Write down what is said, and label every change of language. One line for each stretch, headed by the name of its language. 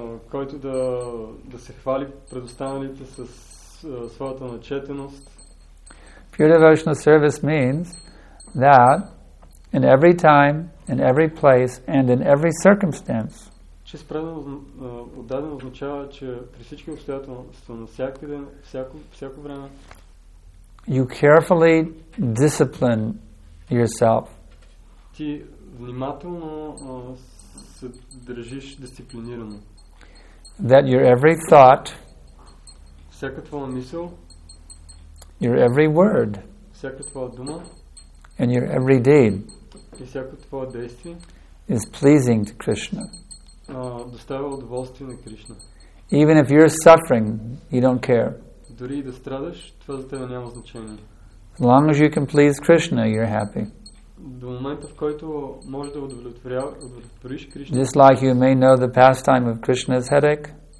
Bulgarian: Който да се хвали пред останалите със своята начетеност.
English: Pure devotional service means that in every time, in every place, and in every circumstance.
Bulgarian: Чист предан отдаден означава, че при всички обстоятелства, на всяка ден, всяко време,
English: you carefully discipline yourself.
Bulgarian: Ти внимателно се държиш дисциплинирано.
English: That your every thought,
Bulgarian: всяка твоя мисъл,
English: your every word,
Bulgarian: всяка твоя дума,
English: and your every deed,
Bulgarian: и всяко твое действие,
English: is pleasing to Krishna.
Bulgarian: Доставя удоволствие на Кришна.
English: Even if you're suffering, you don't care.
Bulgarian: Дори да страдаш, това за теб няма значение.
English: As long as you can please Krishna, you're happy.
Bulgarian: До момента, в който можеш да удовлетвориш Кришна.
English: Just like you may know the pastime of Krishna's headache.